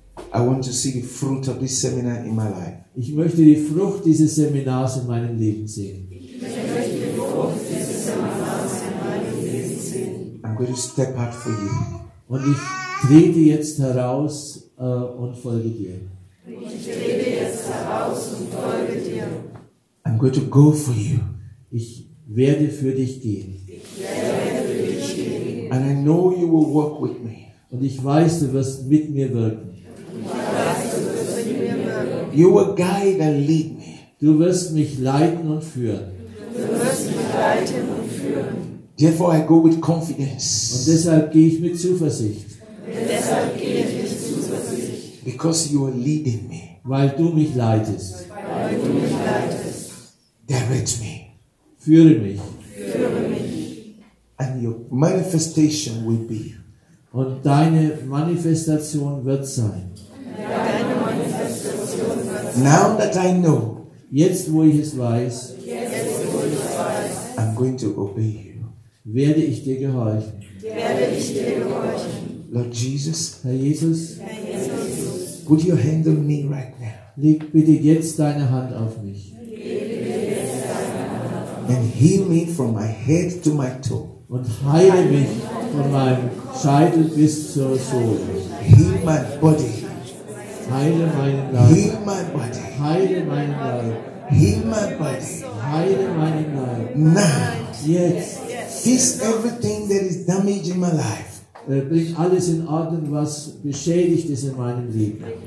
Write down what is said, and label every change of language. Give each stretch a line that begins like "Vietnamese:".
English: I want to see the fruit of this seminar in my life.
German: Ich möchte die Frucht dieses Seminars in meinem Leben sehen.
English: I'm going to step out for you.
German: Und ich trete jetzt heraus und folge dir.
English: I'm going to go for you.
German: Ich werde für dich gehen.
English: And I know you will work with me.
German: Und ich weiß, du wirst mit mir wirken.
English: You will guide and lead me.
German: Du wirst mich leiten und führen.
English: Therefore I go with confidence.
German: Und deshalb gehe ich mit Zuversicht.
English: Because you are leading me.
German: Weil du mich leitest.
English: Direct me.
German: Führe mich.
English: And your manifestation will be.
German: Und deine Manifestation wird sein.
English: Now that I know.
German: Jetzt wo ich es weiß.
English: I'm going to obey you.
German: Werde ich dir gehorchen.
English: Lord Jesus.
German: Herr Jesus.
English: Put your hand on me right now.
German: Leg bitte jetzt deine Hand auf mich.
English: And heal me from my head to my toe.
German: Und heile mich von meinem Scheitel bis zur Sohle.
English: Heal my body.
German: Heile meinen Leib.
English: Heal my body.
German: Heile meinen Leib.
English: Heal my body.
German: Heile meinen Leib.
English: Now.
German: Jetzt.
English: Fix everything that is damaged in my life.
German: Bring alles in Ordnung, was beschädigt ist in meinem Leben.